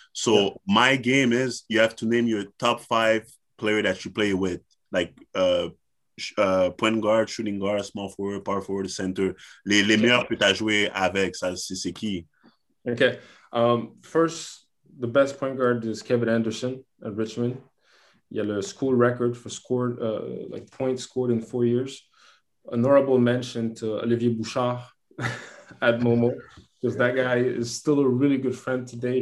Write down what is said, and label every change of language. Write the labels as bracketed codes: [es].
[en] So, my game is, you have to name your top five player that you play with. Like, point guard, shooting guard, small forward, power forward, center. [fr] Les meilleurs que tu as joué avec, ça, c'est qui? [en] Okay. First, the best point guard is Kevin Anderson at Richmond. [fr] Il y a le [en] school record for scored, like points scored in 4 years. Honorable mention to Olivier Bouchard at Momo, because that guy is still a really good friend today.